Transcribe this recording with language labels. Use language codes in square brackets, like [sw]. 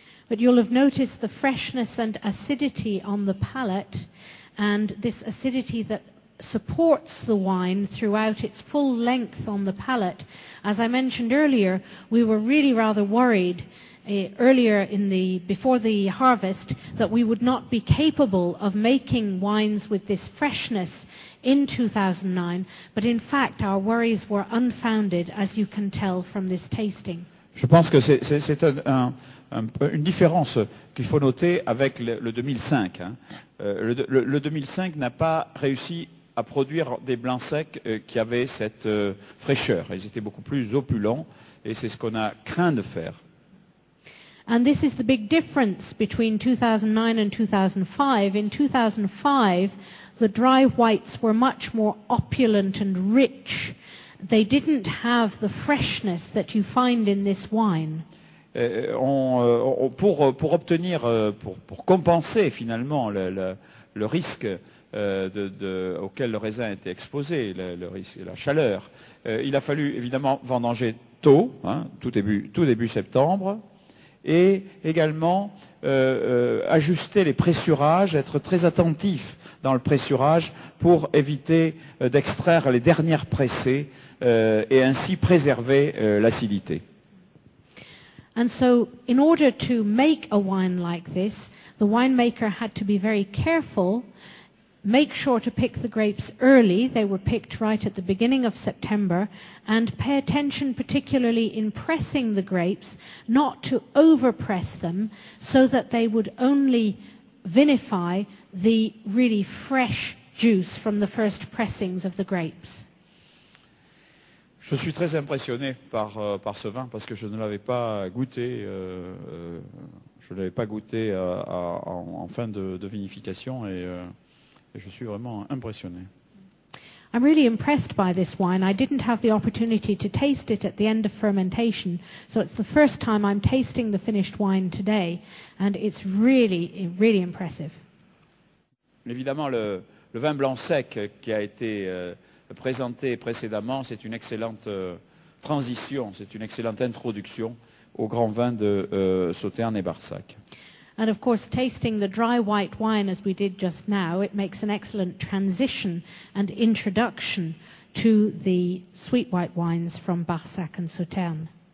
[en] But you'll have noticed the freshness and acidity on the palate, and this acidity that supports the wine throughout its full length on the palate. As I mentioned earlier, we were really rather worried earlier in the before the harvest that we would not be capable of making wines with this freshness in 2009, but in fact our worries were unfounded, as you can tell from this tasting. [fr] Je pense que c'est une différence qu'il faut noter avec le 2005. Hein. Le 2005 n'a pas réussi à produire des blancs secs qui avaient cette fraîcheur. Ils étaient beaucoup plus opulents et c'est ce qu'on a craint de faire. [en] And this is the big difference between 2009 and 2005. In 2005, the dry whites were much more opulent and rich. They didn't have the freshness that you find in this wine. [fr] Pour obtenir, pour compenser finalement le risque auquel le raisin était exposé, le risque, la chaleur, il a fallu évidemment vendanger tôt, hein, tout début septembre, et également ajuster les pressurages, être très attentif dans le pressurage pour éviter d'extraire les dernières pressées et ainsi préserver l'acidité. [en] And so in order to make a wine like this, the winemaker had to be very careful, make sure to pick the grapes early, they were picked right at the beginning of September, and pay attention particularly in pressing the grapes, not to overpress them, so that they would only vinify the really fresh juice from the first pressings of the grapes. [fr] Je suis très impressionné par ce vin parce que je ne l'avais pas goûté, en fin de vinification et je suis vraiment impressionné. [en] I'm really impressed by this wine. I didn't have the opportunity to taste it at the end of fermentation, so it's the first time I'm tasting the finished wine today, and it's really, really impressive. [fr] Évidemment, le vin blanc sec qui a été présenté précédemment, c'est une excellente transition, c'est une excellente introduction au grand vin de Sauternes et Barsac. [en] And of course, tasting the dry white wine as we did just now, it makes an excellent transition and introduction to the sweet white wines from Barsac and Sauternes.